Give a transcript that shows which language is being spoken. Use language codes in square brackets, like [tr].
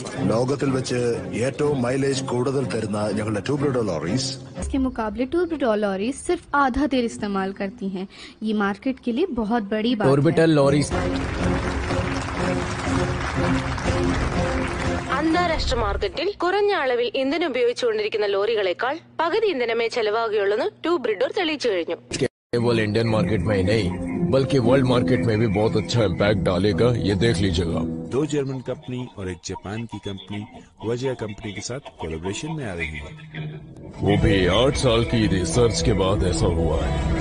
[ml] ലോകത്തിൽ വെച്ച് ഏറ്റവും മൈലേജ് കൂടുതൽ തരുന്ന ഞങ്ങളുടെ ട്യൂബ്ലോ ലോറീസ് [hi] के मुकाबले ट्यूबिटॉल लॉरी सिर्फ आधा तेल इस्तेमाल करती हैं। ये मार्केट के लिए बहुत बड़ी बात है। ट्यूबिटॉल लॉरी [ml] അന്താരാഷ്ട്ര മാർക്കറ്റിൽ കുറഞ്ഞ അളവിൽ ഇന്ധനം ഉപയോഗിച്ചുകൊണ്ടിരിക്കുന്ന ലോറികളെക്കാൾ പകുതി ഇന്ധനമേ ചെലവാകുകയുള്ളെന്ന് ട്യൂബ്രിഡോർ തെളിയിച്ചു കഴിഞ്ഞു. [hi] केवल इंडियन मार्केट में ही नहीं बल्कि वर्ल्ड मार्केट में भी बहुत अच्छा इम्पैक्ट डालेगा, ये देख लीजिएगा। दो जर्मन कंपनी और एक जापान की कंपनी वजिया कंपनी के साथ कोलैबोरेशन में आ रही है, वो भी 8 साल की रिसर्च के बाद ऐसा हुआ है।